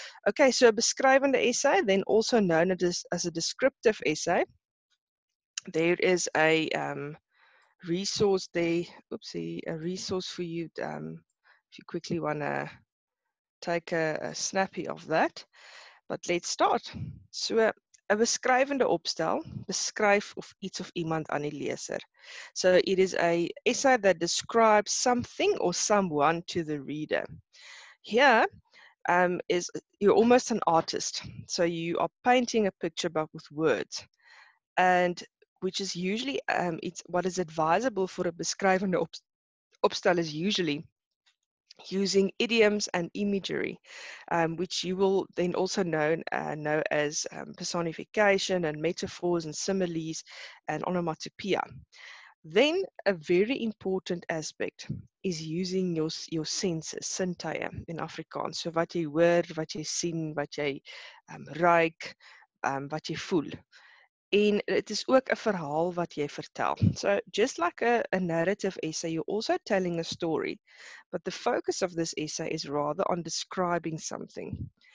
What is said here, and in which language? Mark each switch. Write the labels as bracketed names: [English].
[English] Okay, so a beschrijvende essay, then also known as a descriptive essay. There is a resource there. Oopsie, a resource for you if you quickly want to take a snappy of that, but let's start. [Afrikaans] So a beskrywende opstel beskryf of iets of iemand aan die leser. [English] So it is a essay that describes something or someone to the reader. Here is you're almost an artist, so you are painting a picture but with words, and which is usually it's what is advisable for a beskrywende opstel is usually using idioms and imagery, which you will then also know as personification and metaphors and similes and onomatopoeia. Then a very important aspect is using your senses, sintuie in Afrikaans. [Afrikaans] So wat jy hoor, wat jy sien, wat jy ruik, wat jy voel. En het is ook een verhaal wat jy vertel. [English] So just like a narrative essay, you're also telling a story. But the focus of this essay is rather on describing something.